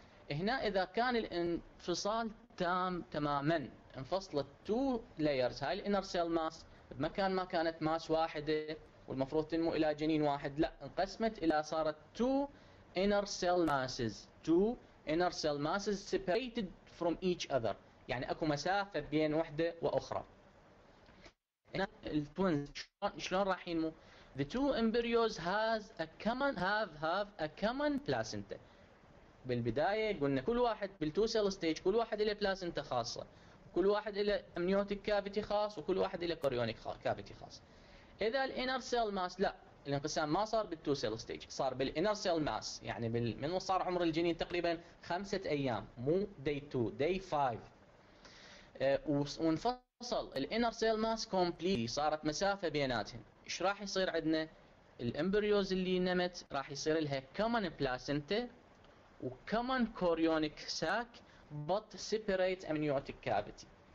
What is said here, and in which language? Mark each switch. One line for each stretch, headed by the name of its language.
Arabic: هنا اذا كان الانفصال تام تماما، انفصلت تو لايرز هاي الانر سيل ماس بمكان ما كانت ماس واحده والمفروض تنمو الى جنين واحد، لا انقسمت الى صارت
English: two inner cell masses, two inner cell masses separated from each other,
Arabic: يعني اكو مسافه بين وحده واخرى. هنا التوينز شلون راح ينمو؟
English: The two embryos has a common have a common placenta.
Arabic: بالبداية قلنا كل واحد بالتو سيل ستيج كل واحد له بلاسنتا خاصة، كل واحد له أمنيوتيك كافيتي خاص، وكل واحد له كوريونيك كافيتي خاص. إذا الانر سيل ماس، لا الانقسام ما صار بالتو سيل ستيج، صار بالانر سيل ماس، يعني من صار عمر الجنين تقريبا خمسة أيام مو داي 2 داي 5، وانفصل الانر سيل ماس كومبليتلي، صارت مسافة بيناتهم، ايش راح يصير عندنا؟ الامبريوز اللي نمت راح يصير لها
English: Common placenta وكومن chorionic sac but separate amniotic cavity.